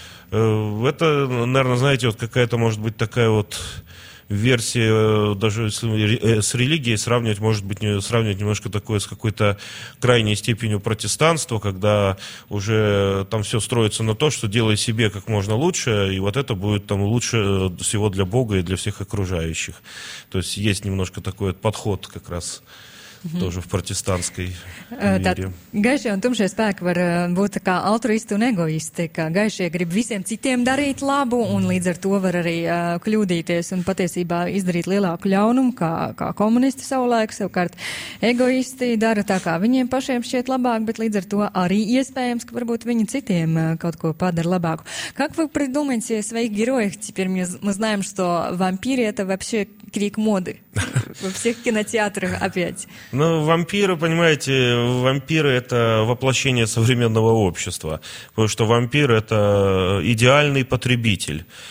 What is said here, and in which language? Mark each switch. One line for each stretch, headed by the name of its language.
Russian: Это, наверное, знаете, вот какая-то может быть такая вот версия, даже с религией сравнивать, может быть, сравнивать немножко такое с какой-то крайней степенью протестантства, когда уже там все строится на то, что делай себе как можно лучше, и вот это будет там лучше всего для Бога и для всех окружающих. То есть есть немножко такой вот подход как раз. Тоже в протестантской мере.
Latvian: Гайшие и тумшие спеки var būt kā altruisti un egoisti, ka gaišie grib visiem citiem darīt labu un līdz ar to var arī kļūdīties un patiesībā izdarīt lielāku ļaunumu, kā komunisti savulaik, savukārt egoisti dara tā, kā viņiem pašiem šķiet labāk, bet līdz ar to arī iespējams, ka varbūt viņi citiem kaut ko padara labāku.
Russian: Как вы придумаете своих героев? Теперь мы знаем, что вампиры это вообще крик моды во всех кинотеатрах опять. Ну, вампиры, понимаете, вампиры – это воплощение современного общества, потому что вампир – это идеальный потребитель.